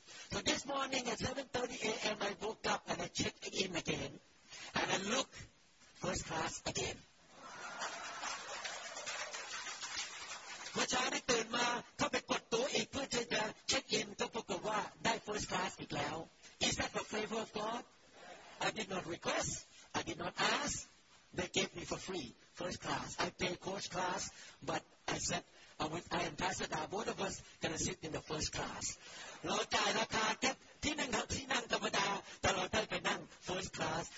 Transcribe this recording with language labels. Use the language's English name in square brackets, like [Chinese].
[English] So this morning at 7:30 a.m., I woke up and I checked in again, and I looked first class again. [Thai] เมื่อเช้าได้ตื่นมาเข้าไปกดตัวอีกเพื่อจะเช็คอินก็ปรากฏว่าได้ first class อีกแล้ว [English] Is that the favor of God? I did not request. I did not ask. They gave me for free, first class. I paid coach class, but I said, I and Pastor Da, both of us gonna sit in the first class. [Thai] เราจ่ายราคาแค่ที่นั่งที่นั่งธรรมดาแต่เราได้ไปนั่ง first class.